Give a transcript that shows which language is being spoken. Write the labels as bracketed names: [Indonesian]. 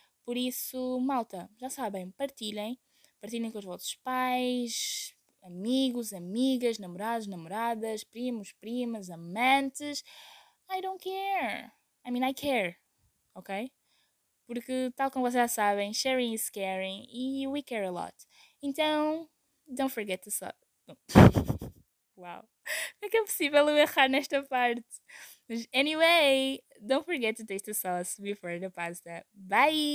[Portuguese] Por isso, malta, já sabem, partilhem com os vossos pais, amigos, amigas, namorados, namoradas, primos, primas, amantes. [English] I don't care. I mean, I care. Ok? [Portuguese] Porque, tal como vocês já sabem, [English] sharing is caring. E we care a lot. Então, don't forget to sub. Uau. [Portuguese] Como é que é possível eu errar nesta parte? [English] Mas, anyway, don't forget to taste the sauce before the pasta. Bye!